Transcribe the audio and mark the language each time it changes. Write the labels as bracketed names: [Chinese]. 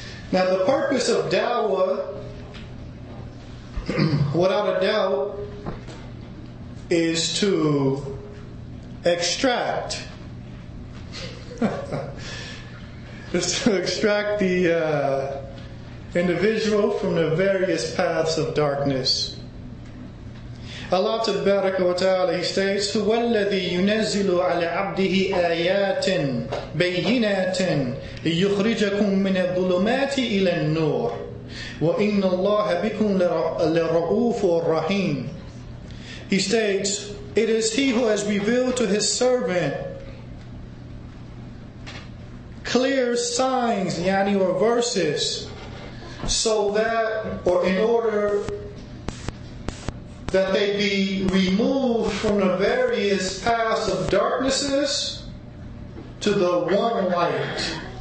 [English] Now, the purpose of da'wah, without a doubt, is to extract is to extract the individual from the various paths of darkness. Allah Tabaraka wa Ta'ala, He states, [Arabic] هُوَ الَّذِي يُنَزِّلُ عَلَى عَبْدِهِ آيَاتٍ بَيِّنَاتٍ لِيُخْرِجَكُمْ مِنَ الظُّلُمَاتِ إِلَى النُّورِ وَإِنَّ اللَّهَ بِكُمْ لَرَؤُوفٌ رَحِيمٌ. [English] He states, it is He who has revealed to His servant clear signs, yani or verses, so that, or in order that they be removed from the various paths of darknesses to the one light.